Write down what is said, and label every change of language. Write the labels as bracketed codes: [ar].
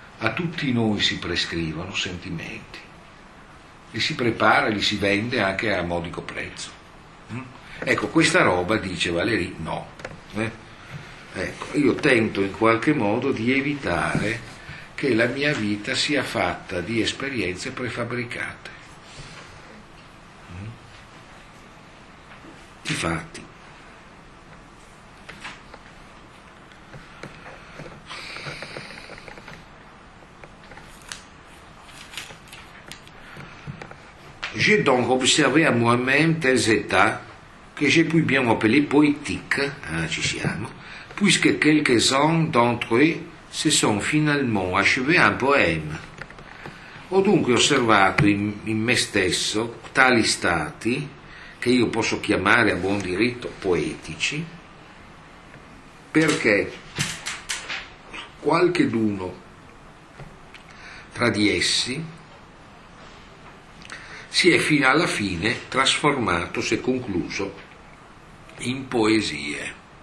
[it] A tutti noi si prescrivono sentimenti, li si prepara, li si vende anche a modico prezzo. Ecco, questa roba, dice Valéry, no. Ecco, io tento in qualche modo di evitare che la mia vita sia fatta di esperienze prefabbricate. Difatti, [fr] j'ai donc observé à moi-même tels états que j'ai pu bien appeler poétiques, hein, [it] ci siamo, [fr] puisque quelques-uns d'entre eux se sont finalement achevés un poème. [it] Ho dunque osservato in me stesso tali stati che io posso chiamare a buon diritto poetici, perché qualcheduno tra di essi si è fino alla fine trasformato, si è concluso, in poesie.